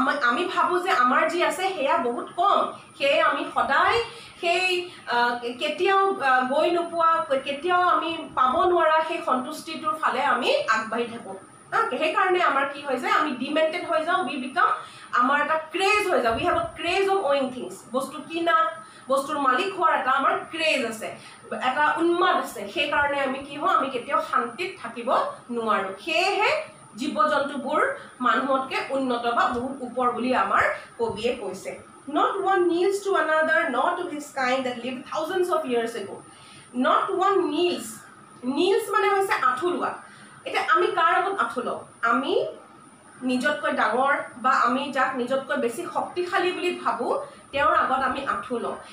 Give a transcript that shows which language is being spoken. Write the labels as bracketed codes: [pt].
[as] আমি ভাবোঁ যে আমাৰ যি আছে সেয়া বহুত কম, সেয়ে আমি সদায় সেই কেতিয়াও গৈ নোপোৱা, কেতিয়াও আমি পাব নোৱাৰা সেই সন্তুষ্টিটোৰ ফালে আমি আগবাঢ়ি থাকোঁ। সেইকাৰণে আমাৰ কি হৈ যায়, আমি ডিমেণ্টেড হৈ যাওঁ। [en] we become, [as] আমাৰ এটা ক্ৰেজ হৈ যাওঁ। [en] we have a craze of owning things, [as] বস্তু কিনা, বস্তুৰ মালিক হোৱাৰ এটা আমাৰ ক্ৰেজ আছে, এটা উন্মাদ আছে। সেইকাৰণে আমি কি হওঁ, আমি কেতিয়াও শান্তিত থাকিব নোৱাৰোঁ। সেয়েহে জীৱ জন্তুবোৰ মানুহতকৈ উন্নত বা বহুত ওপৰ বুলি আমাৰ কবিয়ে কৈছে। [en] not one kneels to another, not to his kind that live thousands of years ago' not one kneels, [as] নীলছ মানে হৈছে আঁঠু লোৱা। এতিয়া আমি কাৰ আগত আঁঠু লওঁ? আমি নিজতকৈ ডাঙৰ বা আমি যাক নিজতকৈ বেছি শক্তিশালী বুলি ভাবোঁ তেওঁৰ আগত আমি আঁঠু লওঁ।